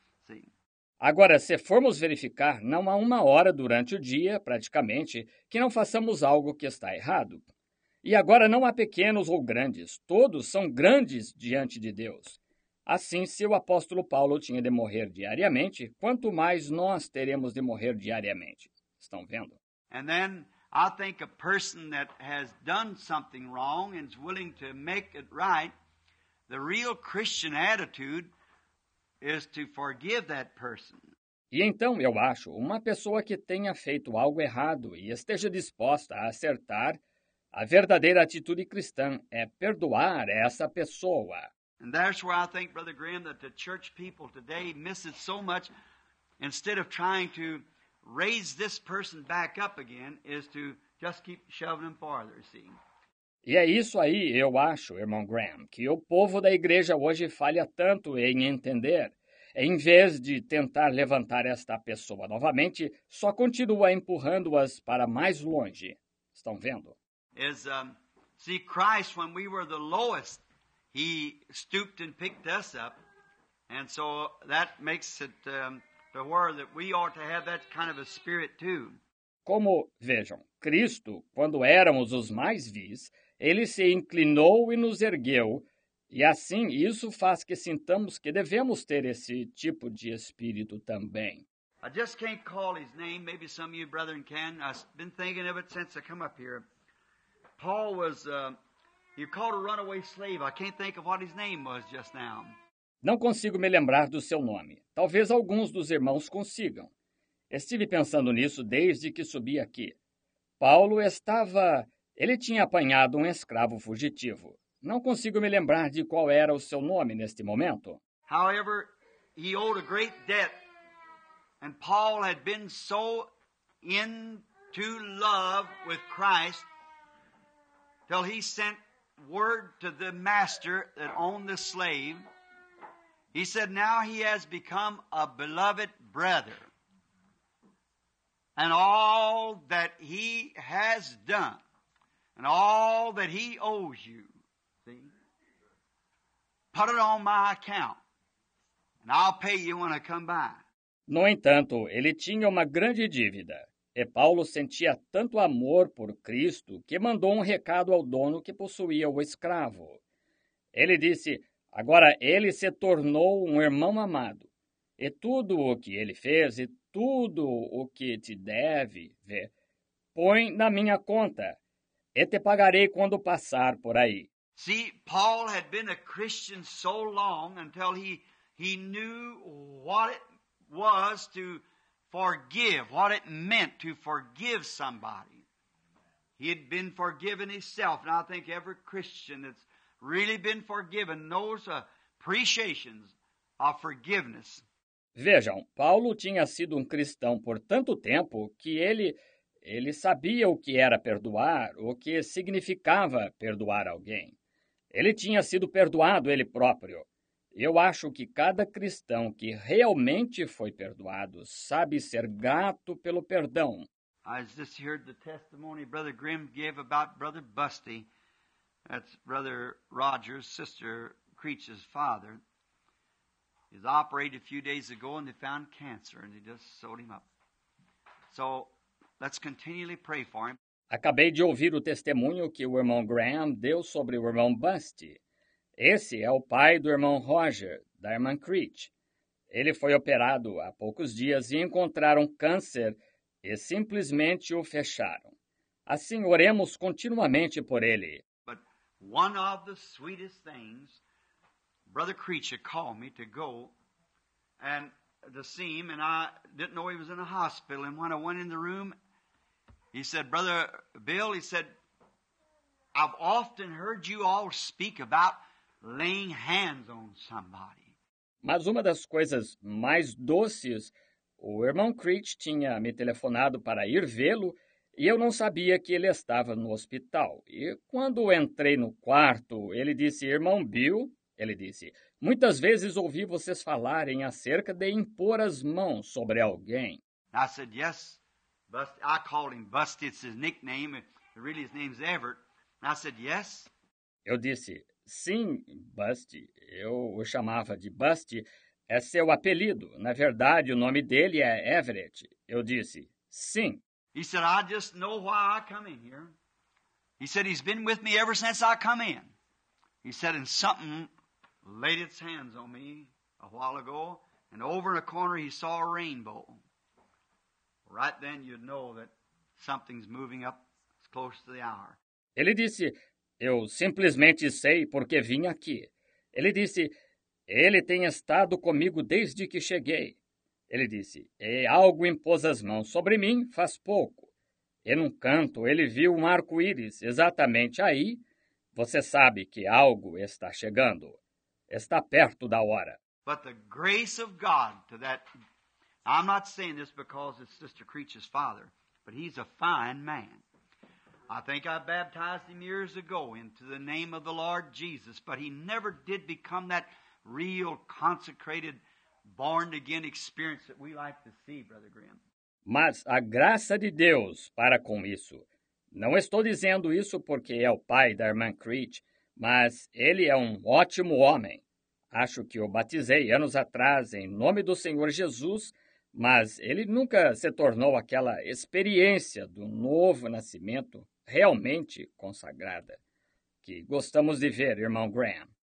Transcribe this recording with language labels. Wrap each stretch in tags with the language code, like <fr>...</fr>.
<en>See?</en> <pt>Agora, se formos verificar, não há uma hora durante o dia, praticamente, que não façamos algo que está errado. E agora não há pequenos ou grandes, todos são grandes diante de Deus. Assim, se o apóstolo Paulo tinha de morrer diariamente, quanto mais nós teremos de morrer diariamente? Estão vendo?</pt> <en>And then I think a person that has done something wrong and is willing to make it right, the real Christian attitude is to forgive that person.</en> <pt>E então, eu acho, uma pessoa que tenha feito algo errado e esteja disposta a acertar, a verdadeira atitude cristã é perdoar essa pessoa.</pt> <en>And that's where I think, Brother Graham, that the church people today miss it so much, instead of trying to raise this person back up again, is to just keep shoving them farther, see?</en> <pt>E é isso aí, eu acho, irmão Graham, que o povo da igreja hoje falha tanto em entender. Em vez de tentar levantar esta pessoa novamente, só continua empurrando-as para mais longe. Estão vendo?</pt> <en>See, Christ, when we were the lowest, he stooped and picked us up. And so that makes it to where that we ought to have that kind of a spirit too.</en> <pt>Como, vejam, Cristo, quando éramos os mais vis, ele se inclinou e nos ergueu, e assim isso faz que sintamos que devemos ter esse tipo de espírito também.</pt> <en>I just can't call his name, maybe some of you brethren can. I've been thinking of it since I come up here. Paul was, you called a runaway slave. I can't think of what his name was just now.</en> <pt>Não consigo me lembrar do seu nome. Talvez alguns dos irmãos consigam. Estive pensando nisso desde que subi aqui. Paulo estava... Ele tinha apanhado um escravo fugitivo. Não consigo me lembrar de qual era o seu nome neste momento.</pt> <en>However, he owed a great debt. And Paul had been so into love with Christ till he sent word to the master that owned the slave. He said, now he has become a beloved brother. And all that he has done, and all that he owes you, see, put it on my account, and I'll pay you when I come by.</en> <pt>No entanto, ele tinha uma grande dívida, e Paulo sentia tanto amor por Cristo que mandou um recado ao dono que possuía o escravo. Ele disse, agora ele se tornou um irmão amado, e tudo o que ele fez, e tudo o que te deve ver, põe na minha conta. E te pagarei quando passar por aí.</pt> <en>See, Paul had been a Christian so long until he knew what it was to forgive, what it meant to forgive somebody. He had been forgiven himself. And I think every Christian that's really been forgiven knows appreciations of forgiveness.</en> <pt>Vejam, Paulo tinha sido um cristão por tanto tempo que ele sabia o que era perdoar, o que significava perdoar alguém. Ele tinha sido perdoado ele próprio. Eu acho que cada cristão que realmente foi perdoado sabe ser grato pelo perdão.</pt> <en>I just heard the testimony Brother Grimm gave about Brother Busty. That's Brother Rogers, sister Creech's father. He was operated a few days ago and they found cancer and they just sewed him up. So, let's continually pray for him.</en> <pt>Acabei de ouvir o testemunho que o irmão Graham deu sobre o irmão Busty. Esse é o pai do irmão Roger, da irmã Creech. Ele foi operado há poucos dias e encontraram câncer e simplesmente o fecharam. Assim, oremos continuamente por ele.</pt> <en>But one of the sweetest things, Brother Creech called me to go and to see him, and I didn't know he was in a hospital, and when I went in the room, he said, Brother Bill, he said, I've often heard you all speak about laying hands on somebody.</en> <pt>Mas uma das coisas mais doces, o irmão Creech tinha me telefonado para ir vê-lo, Eu não sabia que ele estava no hospital. E quando entrei no quarto, ele disse, irmão Bill, ele disse, muitas vezes ouvi vocês falarem acerca de impor as mãos sobre alguém.</pt> <en>I said, yes, Busty. I called him Busty, it's his nickname, really his name's Everett. I said, yes.</en> <pt>Eu disse, sim, Busty, eu o chamava de Busty, é seu apelido. Na verdade, o nome dele é Everett. Eu disse, sim.</pt> <en>He said, I just know why I come in here. He said, he's been with me ever since I come in. He said, and something laid its hands on me a while ago, and over in a corner he saw a rainbow. Right then you'd know that something's moving up close to the hour.</en> <pt>Ele disse, eu simplesmente sei porque vim aqui. Ele disse, ele tem estado comigo desde que cheguei. Ele disse, e algo impôs as mãos sobre mim faz pouco. E num canto ele viu um arco-íris exatamente aí. Você sabe que algo está chegando. Está perto da hora.</pt> <en>But the grace of God to that, I'm not saying this because it's Sister Creech's father, but he's a fine man. I think I baptized him years ago into the name of the Lord Jesus, but he never did become that real consecrated born-again experience that we like to see, Brother Grimm.</en> <pt>Mas a graça de Deus para com isso. Não estou dizendo isso porque é o pai da irmã Creech, mas ele é um ótimo homem. Acho que o batizei anos atrás em nome do Senhor Jesus, mas ele nunca se tornou aquela experiência do novo nascimento realmente consagrada que gostamos de ver, irmão Graham.</pt>